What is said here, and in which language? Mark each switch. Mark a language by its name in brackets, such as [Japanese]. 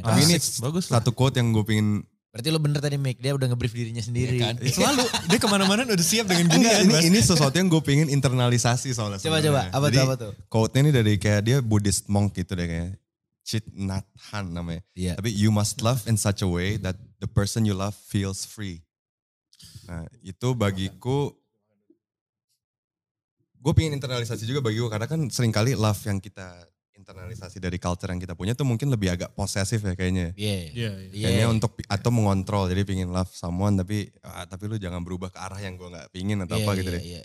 [Indonesian] Tapi ini bagus satu quote yang gue pingin. Berarti lu bener tadi Mike, dia udah nge-brief dirinya sendiri. Ya kan? Selalu, dia kemana-mana udah siap dengan gini. Ini sesuatu yang gue pingin internalisasi soalnya. Coba, apa tuh? Quote-nya ini dari kayak dia Buddhist monk gitu deh kayaknya. Chit Nat Han namanya. [English] Yeah. Tapi you must love in such a way that the person you love feels free. [Indonesian] Nah itu bagiku, gue pengen internalisasi juga bagiku. Karena kan seringkali love yang kita internalisasi dari culture yang kita punya tuh mungkin lebih agak posesif ya kayaknya. Kayaknya untuk atau mengontrol. Jadi pengen [English] love someone [Indonesian] tapi lu jangan berubah ke arah yang gue gak pengen atau apa gitu deh.